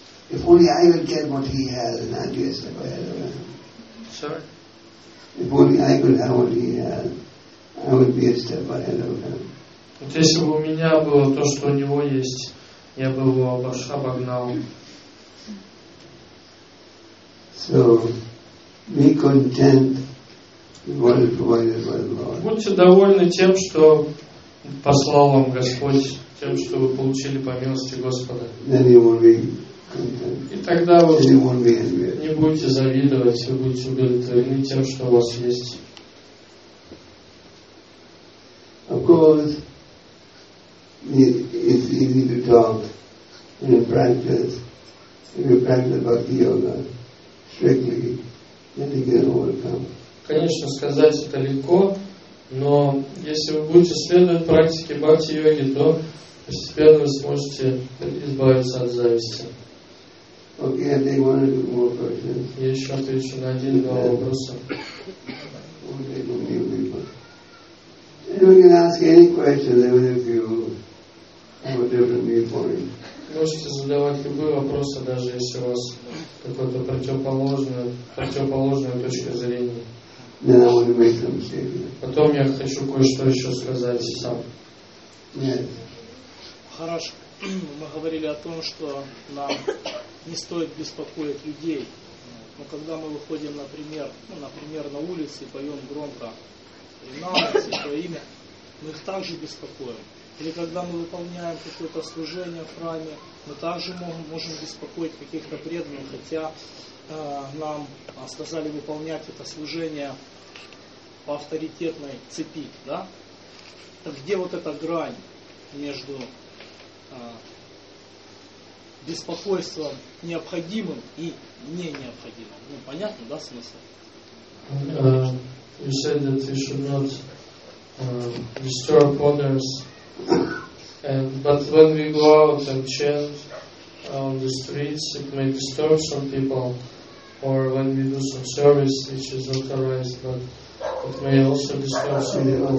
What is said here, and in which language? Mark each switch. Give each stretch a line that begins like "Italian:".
English: If only I would get what he has, and I'd be a step ahead of him. Sorry? If only I could have what he has, I would be a step ahead of him.
Russian: Вот если бы у меня было то, что у него есть, я бы его обогнал.
English: So, be content with what is provided by the Lord.
Russian: Будьте довольны тем, что послал вам Господь, тем, что вы получили по милости Господа.
English: Then you will be content.
Russian: И тогда вы не будете завидовать, вы будете удовлетворены тем, что у вас есть.
English: Of course, it's easy to talk in practice. If you practice bhakti yoga strictly, then you can overcome.
Russian: Конечно, сказать это легко, но если вы будете следовать практике бхакти йоги, то постепенно вы сможете избавиться от зависти.
English: Okay, I think one or two more questions.
Russian: Я еще отвечу на один-два вопроса.
English: Okay, two people. And we can ask any questions, even if you have a different viewpoint.
Russian: Можете задавать любые вопросы, даже если у вас какая-то противоположная точка зрения.
English: Then I want to make some statement.
Russian: Потом я хочу кое-что еще сказать сам.
English: Yes.
Russian: Хорошо. Мы говорили о том, что нам не стоит беспокоить людей. Но когда мы выходим, например, на улицу и поем громко «Ринамаси», «Твое имя», мы их также беспокоим. Или когда мы выполняем какое-то служение в храме, мы также можем беспокоить каких-то преданных, хотя нам сказали выполнять это служение по авторитетной цепи. Да? Так где вот эта грань между беспокойством необходимым и не необходимым. Ну, понятно, да, смысл?
English: You said that we should not disturb others, but when we go out and chant on the streets, it may disturb some people, or when we do some service which is authorized, but it may also disturb some people.